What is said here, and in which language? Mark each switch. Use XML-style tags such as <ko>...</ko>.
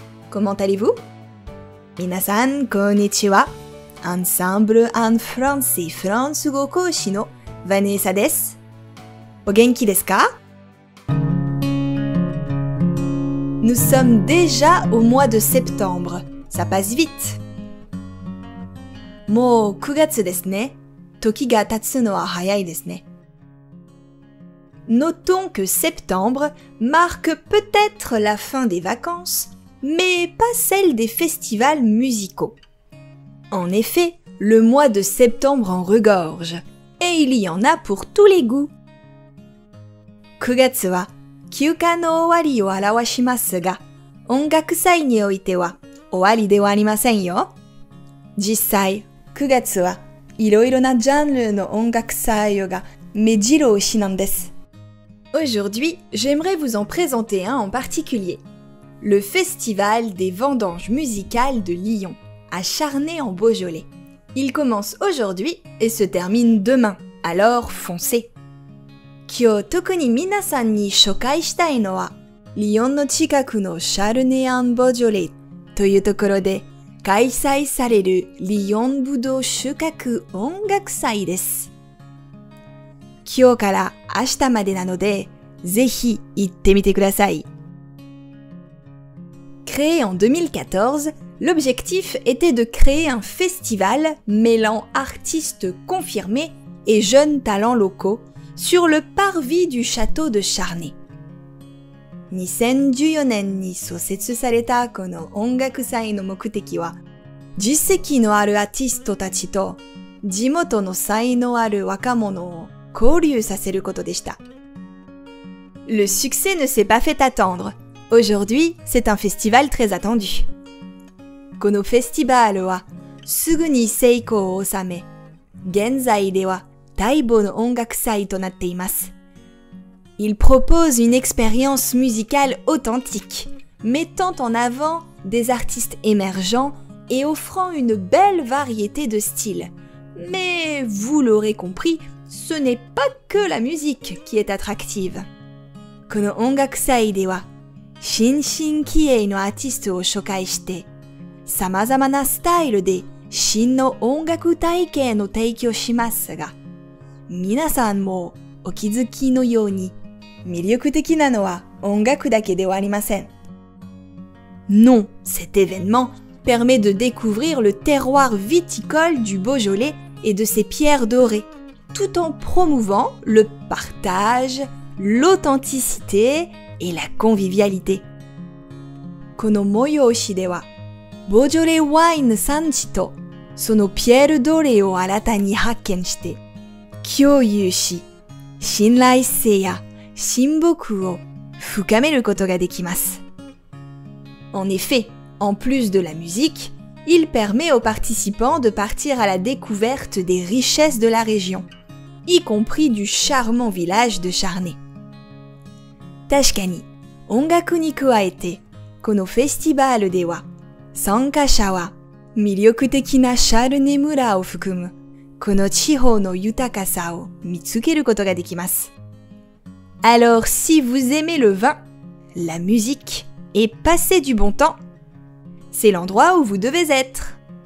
<fr>Comment allez-vous?</fr> <ja>Minasan konnichiwa,</ja> <fr>Ensemble en français,</fr> <ja>France go koshi no Vanessa desu. お元気ですか?</ja> <fr>Nous sommes déjà au mois de septembre. Ça passe vite.</fr> <ja>もう9月ですね。時が経つのは早いですね。</ja> <fr>Notons que septembre marque peut-être la fin des vacances, mais pas celle des festivals musicaux. En effet, le mois de septembre en regorge, et il y en a pour tous les goûts.</fr> <ja>9月は休暇の終わりを表しますが、音楽祭においては終わりではありませんよ。実際、9月はいろいろなジャンルの音楽祭が目白押しなんです。</ja> <fr>Aujourd'hui, j'aimerais vous en présenter un en particulier. Le Festival des Vendanges Musicales de Lyon, à Charnay en Beaujolais. Il commence aujourd'hui et se termine demain, alors foncez!</fr> <ja>今日特に皆さんに紹介したいのは、リヨンの近くのシャルネアン・ボジョレというところで開催されるリヨンブドウ収穫音楽祭です。今日から明日までなので、ぜひ行ってみてください。</ja> <fr>Créé en 2014, l'objectif était de créer un festival mêlant artistes confirmés et jeunes talents locauxsur le parvis du château de Charnay.</fr> <ja>2014年に創設されたこの音楽祭の目的は、実績のあるアーティストたちと地元の才能ある若者を交流させることでした。</ja> <fr>Le succès ne s'est pas fait attendre. Aujourd'hui, c'est un festival très attendu.</fr> <ja>このフェスティバルはすぐに成功を収め、現在では待望の音楽祭となっています。</ja> <fr>Il propose une expérience musicale authentique, mettant en avant des artistes émergents et offrant une belle variété de styles. Mais vous l'aurez compris, ce n'est pas que la musique qui est attractive.</fr> <ja>この音楽祭では、新進気鋭のアーティストを紹介して、様々なスタイルで真の音楽体験を提供しますが、皆さんもお気づきのように、魅力的なのは音楽だけではありません。</ja> <fr>Non, cet événement permet de découvrir le terroir viticole du Beaujolais et de ses pierres dorées, tout en promouvant le partage, l'authenticité et la convivialité.</fr> <ja>この催しでは、ボジョレワイン産地とそのピエールドレを新たに発見して、共有し、信頼性や親睦を深めることができます。</ja> <fr>En effet, en plus de la musique, il permet aux participants de partir à la découverte des richesses de la région, y compris du charmant village de Charnay.</fr> <ja>確かに、音楽に加えて、このフェスティバルでは、参加者は魅力的なシャルネ村を含むこの地方の豊かさを見つけることができます。</ja> <fr>Alors, si vous aimez le vin, la musique et passer du bon temps, c'est l'endroit où vous devez être.</fr>